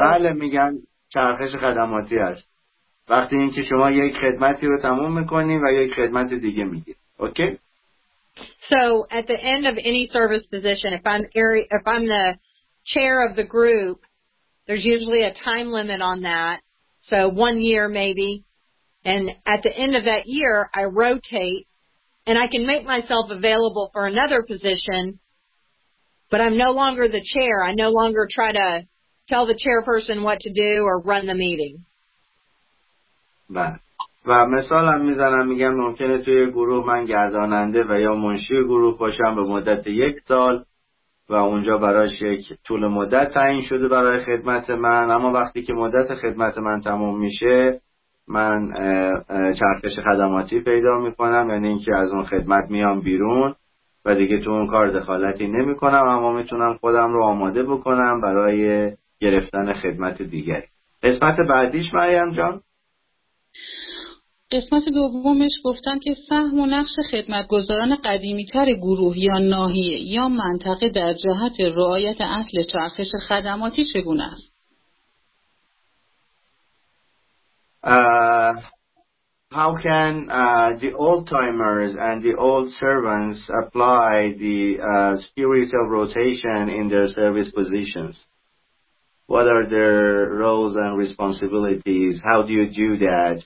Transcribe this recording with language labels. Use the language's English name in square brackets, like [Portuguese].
[Persian] بله میگن چرخش خدماتی است. وقتی اینکه شما یک خدمتی رو تموم میکنی و یک خدمت دیگه میگید. [English] Okay. So at the end of any service position, if I'm the chair of the group, there's usually a time limit on that, so 1 year maybe, and at the end of that year, I rotate, and I can make myself available for another position, but I'm no longer the chair. I no longer try to tell the chairperson what to do or run the meeting. [Persian] و مثال هم میزنم میگم ممکنه توی گروه من گرداننده و یا منشی گروه باشم به مدت یک سال و اونجا برایش یک طول مدت تعیین شده برای خدمت من، اما وقتی که مدت خدمت من تموم میشه من چرخش خدماتی پیدا میکنم، یعنی اینکه از اون خدمت میام بیرون و دیگه تو اون کار دخالتی نمی کنم، اما میتونم خودم رو آماده بکنم برای گرفتن خدمت دیگری. قسمت بعدیش مریم جان؟ قسمت دومش گفتن که سهم و نقش خدمتگزاران قدیمی تر گروه یا ناحیه یا منطقه در جهت رعایت اصل چرخش خدماتی چگونه است؟ [English] How can the old timers and the old servants apply the spirit of rotation in their service positions? What are their roles and responsibilities? How do you do that?